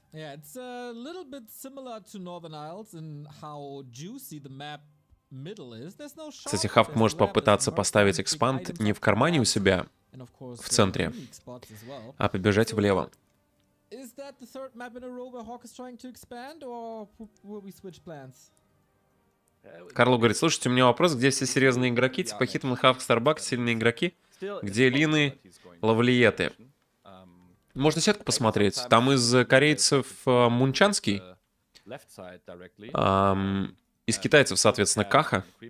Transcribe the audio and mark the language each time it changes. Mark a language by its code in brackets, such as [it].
[en] Yeah, it's a little bit similar to Northern Isles in how juicy the map middle is. There's no shot. [ru] Кстати, Хавк может попытаться поставить экспанд не в кармане у себя в центре, а побежать влево. [en] Is that the third map in a row where Hawk is trying to expand, or will we switch plans? [ru] Карло говорит: слушайте, у меня вопрос, где все серьезные игроки, типа Хитман, Хавк, Старбак, сильные игроки, где Лины, Лавлиеты? Можно сетку посмотреть. Там из корейцев Мунчанский. Из китайцев, соответственно, Каха.